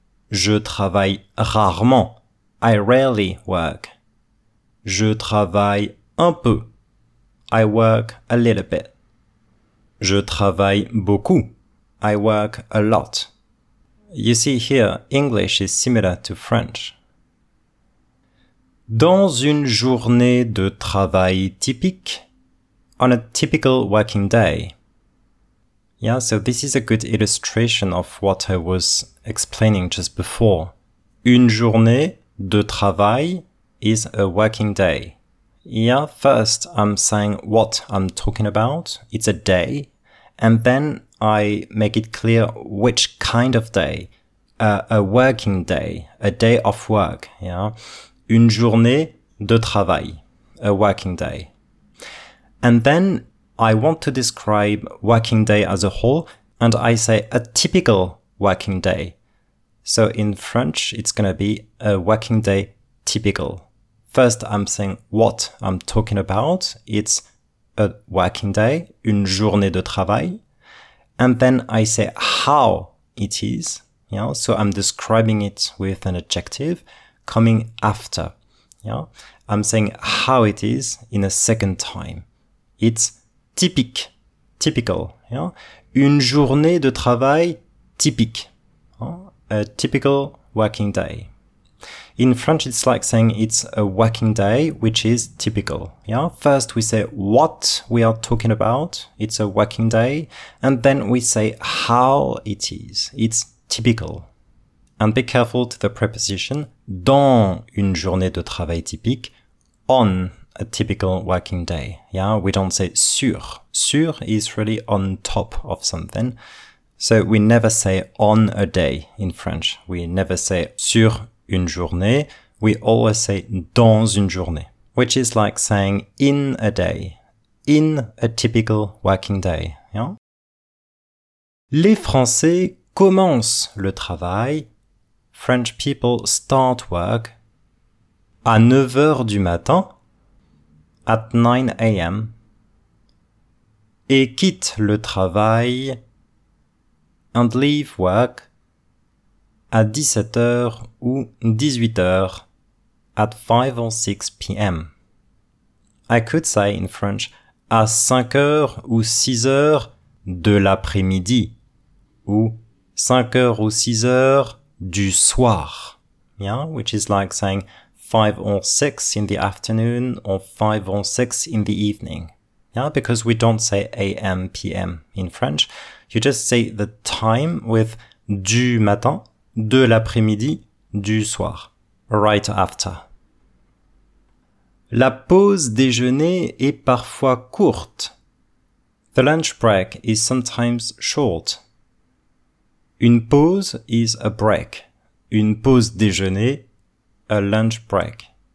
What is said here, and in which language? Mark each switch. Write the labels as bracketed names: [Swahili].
[French] Je travaille rarement. [English] I rarely work. [French] Je travaille un peu. [English] I work a little bit. [French] Je travaille beaucoup. [English] I work a lot. You see here, English is similar to French. [French] Dans une journée de travail typique, [English] on a typical working day. Yeah, so this is a good illustration of what I was explaining just before. [French] Une journée de travail [English] is a working day. Yeah, first I'm saying what I'm talking about. It's a day. And then I make it clear which kind of day. A working day. A day of work. Yeah. [French] Une journée de travail. [English] A working day. And then I want to describe working day as a whole, and I say a typical working day. So in French, it's going to be a working day typical. First, I'm saying what I'm talking about. It's a working day, [French] une journée de travail. [English] And then I say how it is. Yeah. So I'm describing it with an adjective coming after. Yeah. I'm saying how it is in a second time. It's typique, typical, yeah? [French] Une journée de travail typique, [English] a typical working day. In French, it's like saying it's a working day, which is typical, yeah? First, we say what we are talking about, it's a working day, and then we say how it is, it's typical. And be careful to the preposition, [French] dans une journée de travail typique, [English] on a typical working day. Yeah, we don't say sur. Sur is really on top of something. So we never say on a day in French. We never say [French] sur une journée. [English] We always say [French] dans une journée, [English] which is like saying in a day, in a typical working day. [French] Yeah. Les Français commencent le travail. [English] French people start work [French] à 9h du matin. [English] At 9 a.m. [French] et quitte le travail [English] and leave work [French] à 17h ou 18h [English] at 5 or 6 p.m. I could say in French [French] à 5h ou 6h de l'après-midi ou 5h ou 6h du soir. [English] Yeah, which is like saying 5 or 6 in the afternoon, or 5 or 6 in the evening. Yeah, because we don't say AM, PM in French. You just say the time with [French] du matin, de l'après-midi, du soir, [English] right after. [French] La pause déjeuner est parfois courte. [English] The lunch break is sometimes short. [French] Une pause [English] is a break. [French] Une pause déjeuner, [English] a lunch break.